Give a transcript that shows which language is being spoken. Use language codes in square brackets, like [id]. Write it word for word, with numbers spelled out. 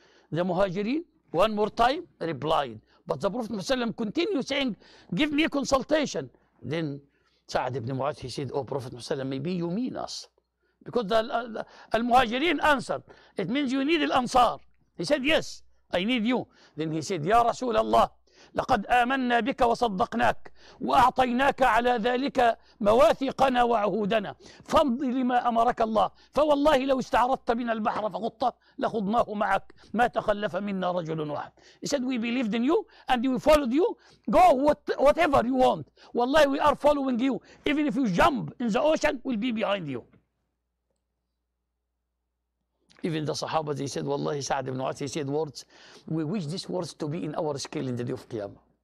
[en] The Muhajirin, one more time, replied. But the Prophet ﷺ continued saying, give me a consultation. Then Sa'd ibn Mu'adh, he said, oh Prophet ﷺ, maybe you mean us. Because the, the, the Al-Muhajirin answered, it means you need Al-Ansar. He said, yes, I need you. [ar] Then he said, Ya Rasulullah, لقد آمنا بك وصدقناك وأعطيناك على ذلك مواثقنا وعهودنا فامض لما أمرك الله فوالله لو استعرضت بنا البحر فغطه لخضناه معك ما تخلف منا رجل واحد. [en] He said we believed in you and we followed you, go what, whatever you want. Wallahi we are following you, even if you jump in the ocean we'll be behind you. Even the Sahaba, they said, Wallahi, Sa'd ibn Mu'adh, he said words, we wish these words to be in our scale in the day of Qiyamah.